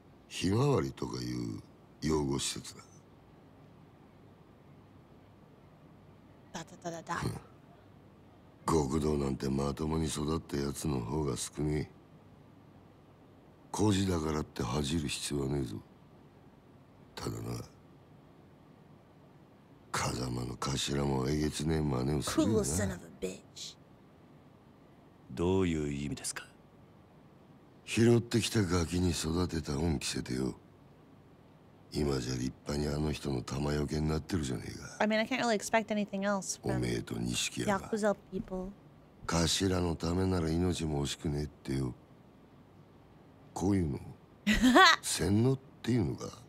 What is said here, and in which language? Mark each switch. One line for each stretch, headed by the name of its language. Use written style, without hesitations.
Japanese: ひまわりとかいう用語施設だ。極道なんてまともに育ったやつの方が少ねえ。孤児だからって恥じる必要はねえぞ。ただな、風間の頭もえげつねえ真似をするよな。どういう意味ですか? 拾ってきたガキに育てた恩着せてよ。今じゃ立派にあの人の玉よけになってるじゃねえか。
English: I mean, I can't really expect anything else from Yakuza people.
Japanese: 頭のためなら命も惜しくねえってよ。こういうの、洗脳っていうのか?